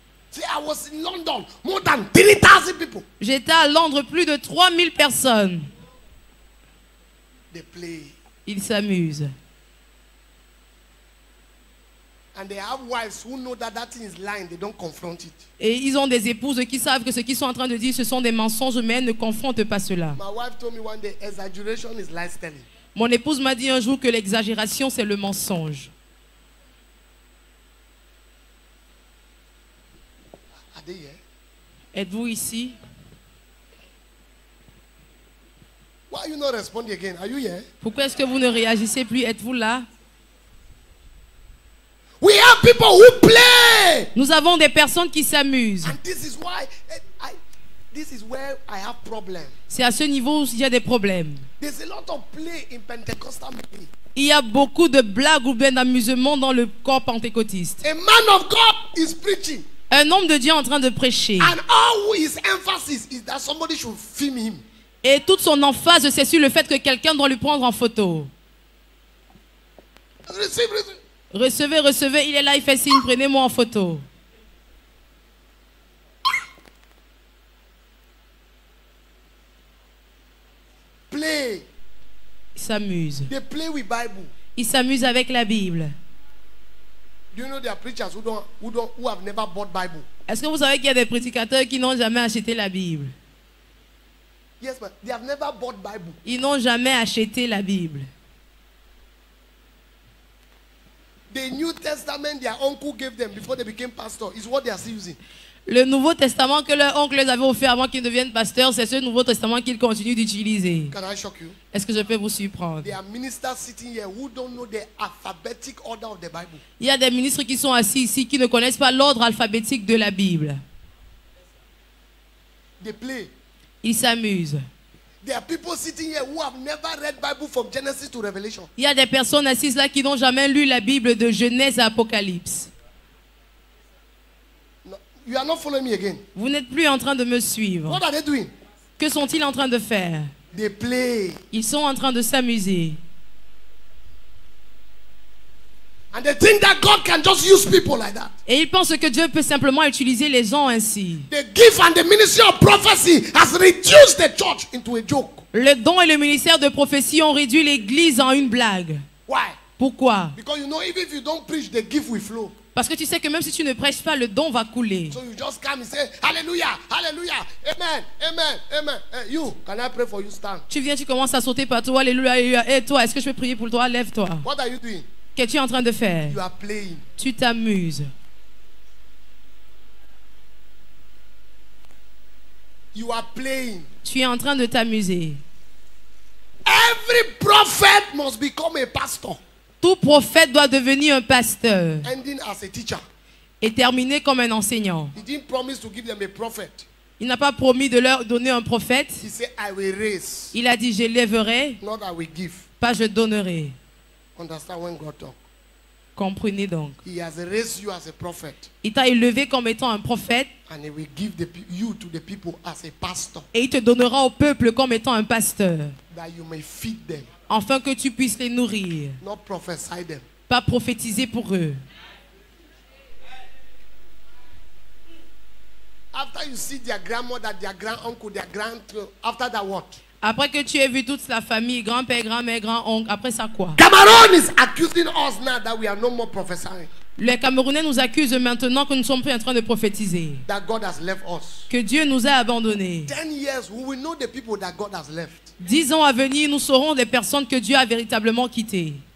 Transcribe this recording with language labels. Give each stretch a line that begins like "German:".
English: See, I was in London, more than 3,000 people.
French: J'étais à Londres, plus de 3,000 personnes.
English: They play.
French: Ils s'amusent.
English: And they have wives who know that that thing is lying. They don't confront it.
French: Et ils ont des épouses qui savent que ce qu'ils sont en train de dire, ce sont des mensonges, mais elles ne confrontent pas cela.
English: My wife told me one day, exaggeration is lies telling.
French: Mon épouse m'a dit un jour que l'exagération c'est le mensonge.
English: Are they here?
French: Êtes-vous ici?
English: Why are you not responding again? Are you here?
French: Pourquoi est-ce que vous ne réagissez plus? Êtes-vous là?
English: We have people who play.
French: Nous avons des personnes qui s'amusent.
English: And this is why this is where I have problem.
French: C'est à ce niveau où il y a des problèmes.
English: There's a lot of play in Pentecostal movie.
French: Il y a beaucoup de blagues ou bien d'amusement dans le corps pentecôtiste.
English: A man of God is preaching.
French: Un homme de Dieu est en train de prêcher.
English: And all his emphasis is that somebody should film him.
French: Et toute son emphase c'est sur le fait que quelqu'un doit lui prendre en photo. Recevez, il est là, il fait signe, prenez-moi en photo.
English: Play.
French: Ils s'amusent.
English: They play with Bible.
French: Ils s'amusent avec la Bible.
English: Do you know there are preachers who have never bought Bible?
French: Est-ce que vous savez qu'il y a des prédicateurs qui n'ont jamais acheté la Bible?
English: Yes, but they have never bought Bible.
French: Ils n'ont jamais acheté la Bible.
English: The New Testament their uncle gave them before they became pastor is what they are still using.
French: Le Nouveau Testament que leur oncle les avait offert avant qu'ils ne deviennent pasteurs, c'est ce Nouveau Testament qu'ils continuent d'utiliser.
English: Can I shock you?
French: Est-ce que je peux vous surprendre?
English: There are ministers sitting here who don't know the alphabetic order of the Bible.
French: Il y a des ministres qui sont assis ici qui ne connaissent pas l'ordre alphabétique de la Bible.
English: They play.
French: Ils s'amusent.
English: There are people sitting here who have never read Bible from Genesis to Revelation.
French: Il y a des personnes assises là qui n'ont jamais lu la Bible de Genèse à Apocalypse.
English: You are not following me again.
French: Vous n'êtes plus en train de me suivre.
English: What are they doing?
French: Que sont-ils en train de faire?
English: They play.
French: Ils sont en train de s'amuser.
English: And they think that God can just use people like that.
French: Et ils pensent que Dieu peut simplement utiliser les gens ainsi.
English: The gift and the ministry of prophecy has reduced the church into a joke.
French: Le don et le ministère de prophétie ont réduit l'église en une blague.
English: Why?
French: Pourquoi?
English: Because you know, even if you don't preach, the gift will flow.
French: Parce que tu sais que même si tu ne prêches pas, le don va couler.
English: So you just come and say, Hallelujah, Hallelujah, Amen, Amen, Amen. Hey, you, can I pray for you? Stand.
French: Tu viens, tu commences à sauter par toi, Hallelujah, Hallelujah. Hey, toi, est-ce que je peux prier pour toi? Lève-toi.
English: What are you doing?
French: Qu'est-ce que tu es en train de faire?
English: You are playing.
French: Tu t'amuses.
English: You are playing.
French: Tu es en train de t'amuser.
English: Every prophet must become a pastor.
French: Tout prophète doit devenir un pasteur.
English: Ending as a teacher.
French: Et terminer comme un enseignant.
English: He didn't promise to give them a prophet.
French: Il n'a pas promis de leur donner un prophète.
English: He said, I will raise.
French: Il a dit, j'élèverai.
English: Not I will give.
French: Pas je donnerai.
English: Understand when God talk.
French: Comprenez donc.
English: He has raised you as a prophet.
French: Il t'a élevé comme étant un prophète.
English: And he will give you to the people as a pastor.
French: Et il te donnera au peuple comme étant un pasteur.
English: That you may feed them.
French: Afin que tu puisses les nourrir.
English: Not prophesy them.
French: Pas prophétiser pour eux.
English: After you see their grandmother, their grand-uncle, their grand, after that what?
French: Après que tu aies vu toute la famille, grand-père, grand-mère, grand-oncle, après ça quoi?
English: Cameroon is accusing us now that we are no more prophesying.
French: Les Camerounais nous accusent maintenant que nous ne sommes plus en train de prophétiser.
English: That God has left us.
French: Que Dieu nous a abandonnés.
English: 10 years, we will know the people that God has left.
French: 10 ans à venir, nous saurons des personnes que Dieu a véritablement quittées.